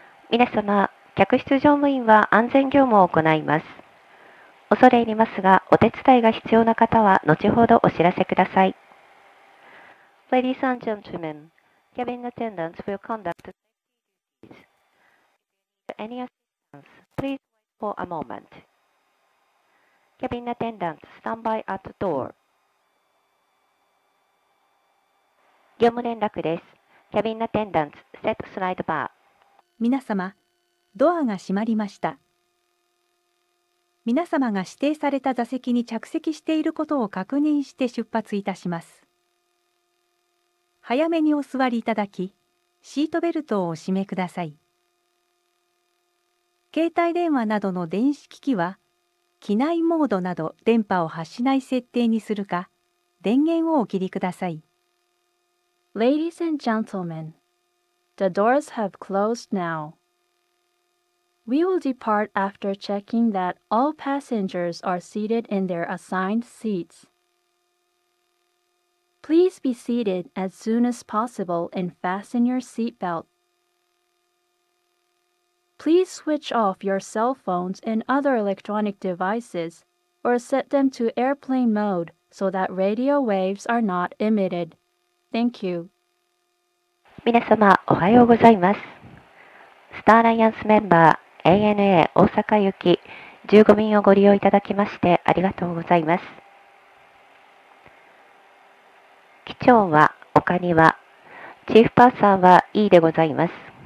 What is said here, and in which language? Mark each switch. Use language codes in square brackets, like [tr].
[ja] 皆様、客室乗務員は安全業務を行います。恐れ入りますが、お手伝いが必要な方は後ほどお知らせください。 [en] Ladies and gentlemen, cabin attendants will conduct the any assistance, please wait for a moment. Cabin attendants, stand by at the door. [ja] 業務連絡です。 [en] Cabin attendants, set slide bar. [ja] 皆様、ドアが閉まりました。皆様が指定された座席に着席していることを確認して出発いたします。早めにお座りいただき、シートベルトをお締めください。携帯電話などの電子機器は、機内モードなど電波を発しない設定にするか、電源をお切りください。 [en] Ladies and gentlemen, the doors have closed now. We will depart after checking that all passengers are seated in their assigned seats. Please be seated as soon as possible and fasten your seat belt. Please switch off your cell phones and other electronic devices or set them to airplane mode so that radio waves are not emitted. Thank you. [ja] 皆様、おはようございます。スターアライアンスメンバー ANA 大阪行き15便をご利用いただきましてありがとうございます。機長は丘庭、チーフパーサーは E でございます。